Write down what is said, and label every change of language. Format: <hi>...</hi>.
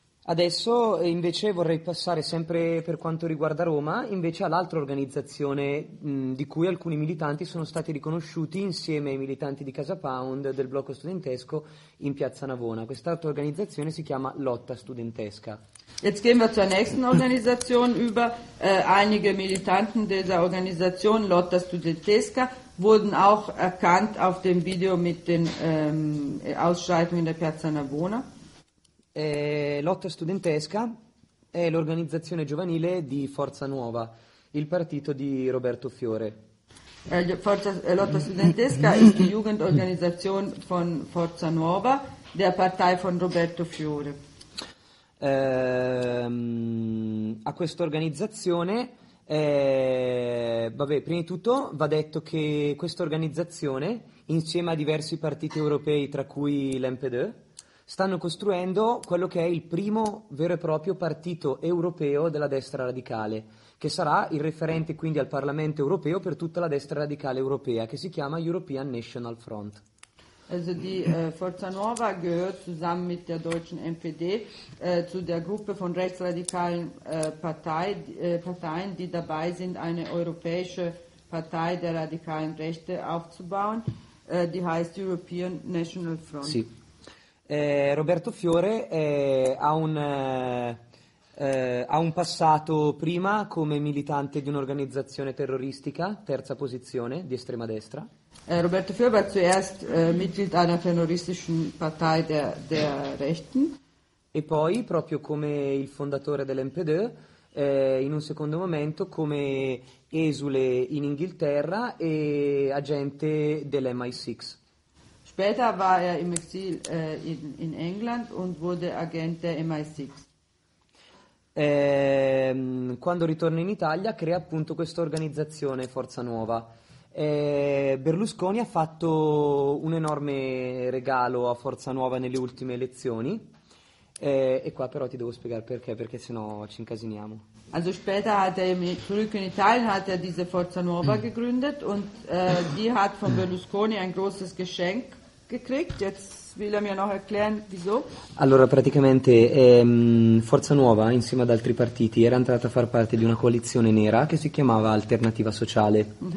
<it>Adesso invece vorrei passare sempre per quanto riguarda Roma, invece all'altra organizzazione di cui alcuni militanti sono stati riconosciuti insieme ai militanti di Casa Pound del blocco studentesco in Piazza Navona. Quest'altra organizzazione si chiama Lotta Studentesca.</it> <de>Jetzt gehen wir zur nächsten Organisation über. Einige Militanten dieser Organisation, Lotta Studentesca, wurden auch erkannt auf dem Video mit den Ausschreitungen der Piazza Navona.</de> <it>Lotta Studentesca è l'organizzazione giovanile di Forza Nuova, il partito di Roberto Fiore.</it> <de>Lotta Studentesca ist die Jugendorganisation von Forza Nuova, der Partei von Roberto Fiore.</de> <it>A questa organizzazione, prima di tutto va detto che questa organizzazione, insieme a diversi partiti europei, tra cui l'MPD, stanno costruendo quello che è il primo vero e proprio partito europeo della destra radicale, che sarà il referente quindi al Parlamento europeo per tutta la destra radicale europea, che si chiama European National Front.</it> <de>Also die Forza Nuova gehört zusammen mit der deutschen NPD zu der Gruppe von rechtsradikalen Parteien, die dabei sind, eine europäische Partei der radikalen Rechte aufzubauen. Die heißt European National Front.</de> <it>Sì. Roberto Fiore ha un passato prima come militante di un'organizzazione terroristica, terza posizione, di estrema destra.</it> <de>Roberto Fiore war zuerst Mitglied einer terroristischen Partei der Rechten.</de> <it>Poi, proprio come il fondatore dell'MPD, in un secondo momento come esule in Inghilterra e agente dell'MI6.</it> <de>Später war im Exil in England und wurde Agent der MI6.</de> <it>Quando ritorna in Italia crea appunto questa organizzazione Forza Nuova. Berlusconi ha fatto un enorme regalo a Forza Nuova nelle ultime elezioni, e qua però ti devo spiegare perché sennò ci incasiniamo.</it> <de>Also später hat er zurück in Italien hat er diese Forza Nuova gegründet und die hat von Berlusconi ein großes Geschenk gekriegt. Jetzt will er mir noch erklären, wieso.</de> <it>Allora, praticamente Forza Nuova, insieme ad altri partiti, era entrata a far parte di una coalizione nera che si chiamava Alternativa Sociale.</it>